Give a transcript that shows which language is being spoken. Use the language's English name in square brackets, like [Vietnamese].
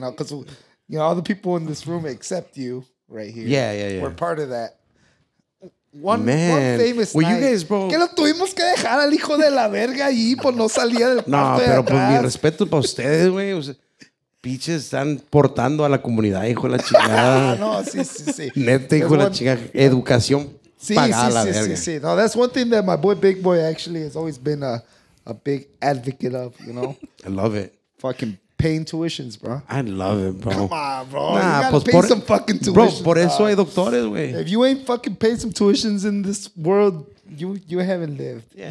[English] Because, you know, all the people in this room except you right here. Yeah. We're part of that. One famous night, you guys, bro. [Spanish] Que lo tuvimos que dejar al hijo de la verga allí por no salir del cuarto. No, pero pues mi respeto para ustedes, güey. O sea, piches están portando a la comunidad, hijo de la chingada. No, sí. Neta, hijo de la chingada. Educación pagada, la verga. Sí. [English] No, that's one thing that my boy Big Boy actually has always been a big advocate of, you know? I love it. Fucking paying tuitions, bro. I love it, bro. Come on, bro. Nah, you gotta pues pay por, some fucking tuitions. [Spanish] Bro, por eso hay doctores, güey. [English] If you ain't fucking paying some tuitions in this world, you haven't lived. Yeah.